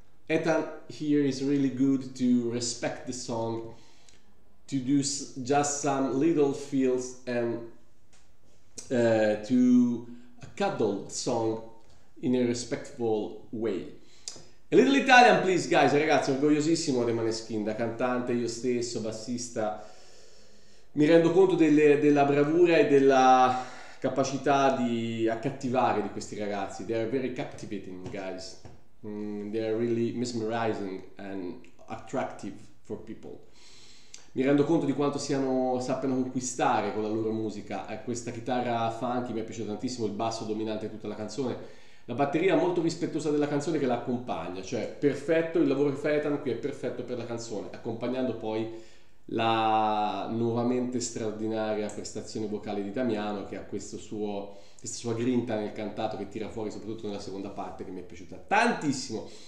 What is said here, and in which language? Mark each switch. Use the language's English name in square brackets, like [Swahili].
[English] Ethan here is really good to respect the song, to do just some little fills, and to a cuddle song in a respectful way. A little Italian please, guys. [Italian] Ragazzi, orgogliosissimo di Maneskin, da cantante io stesso, bassista. Mi rendo conto della bravura e della capacità di accattivare di questi ragazzi. [English] They are very captivating, guys. They are really mesmerizing and attractive for people. [Italian] Mi rendo conto di quanto sappiano conquistare con la loro musica. Questa chitarra funky mi è piaciuta tantissimo, il basso dominante di tutta la canzone. La batteria molto rispettosa della canzone che l'accompagna. Cioè, perfetto, il lavoro che fa Ethan qui è perfetto per la canzone, accompagnando poi la nuovamente straordinaria prestazione vocale di Damiano, che ha questa sua grinta nel cantato che tira fuori soprattutto nella seconda parte, che mi è piaciuta tantissimo.